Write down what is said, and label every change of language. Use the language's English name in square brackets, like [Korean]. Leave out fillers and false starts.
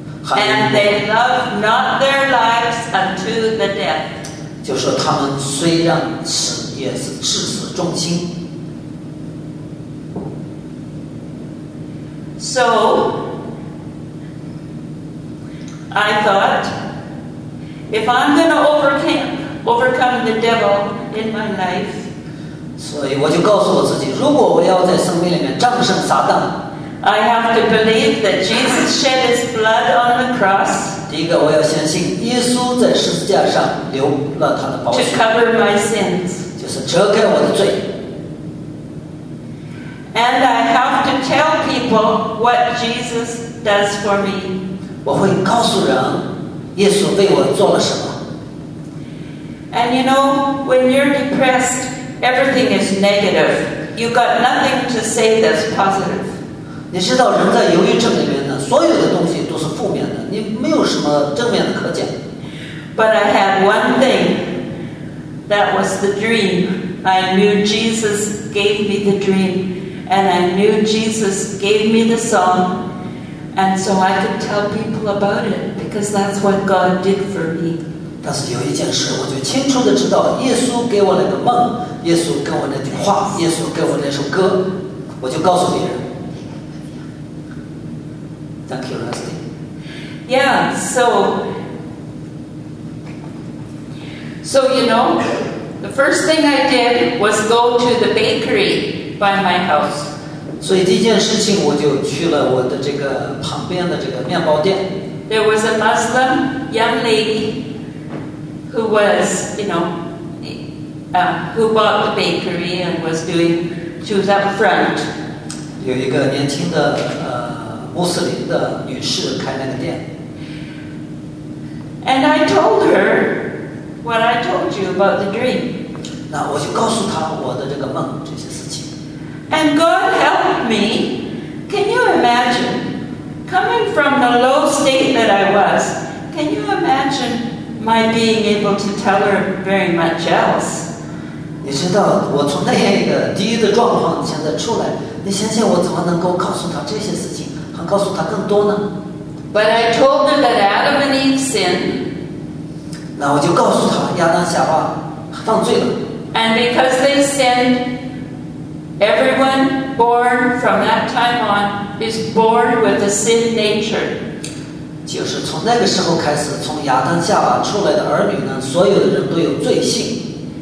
[English] And they love not their lives unto the death. [Chinese] 就说他们虽然死，也是至死忠心。 [English] So I thought, if I'm going to overcome the devil in my life, [Chinese] 所以我就告诉我自己，如果我要在生命里面战胜撒旦 [English] I have to believe that Jesus shed His blood on the cross. [Chinese] 第一个，我要相信耶稣在十字架上流了他的宝血。 [English] To cover my sins. [Chinese] 就是遮盖我的罪。 [English] And I have to tell people what Jesus does for me. [Chinese] 我会告诉人耶稣为我做了什么。 [English] And you know, when you're depressed, everything is negative. You've got nothing to say that's positive. [Chinese] 你知道人在忧郁症里面呢，所有的东西都是负面的，你没有什么正面的可讲。 [English] But I had one thing. That was the dream. I knew Jesus gave me the dream. And I knew Jesus gave me the song. And so I could tell people about it. Because that's what God did for me. [Chinese] 但是有一件事我就清楚地知道耶稣给我那个梦耶稣给我那句话耶稣给我那首歌我就告诉别人 [English] Thank you, Rusty Yeah, so you know the first thing I did was go to the bakery by my house [Chinese] 所以第一件事情我就去了我的这个旁边的这个面包店 [English] There was a Muslim young ladywho was, you know,who bought the bakery and was doing, she was up front. [Chinese] 有一个年轻的穆斯林的女士开那个店。 [English] And I told her what I told you about the dream. [Chinese] 那我就告诉她我的这个梦这些事情。 [English] And God helped me. Can you imagine, coming from the low state that I was, can you imagine,my being able to tell her very much else. [Chinese] 你知道我从那样一个低的状况现在出来你想想我怎么能够告诉她这些事情还告诉她更多呢 [English] But I told her that Adam and Eve sinned. [Chinese] 那我就告诉她亚当夏娃犯罪了 [English] And because they sinned, everyone born from that time on is born with a sin nature. [Chinese] 就是从那个时候开始从亚当夏娃出来的儿女呢所有的人都有罪性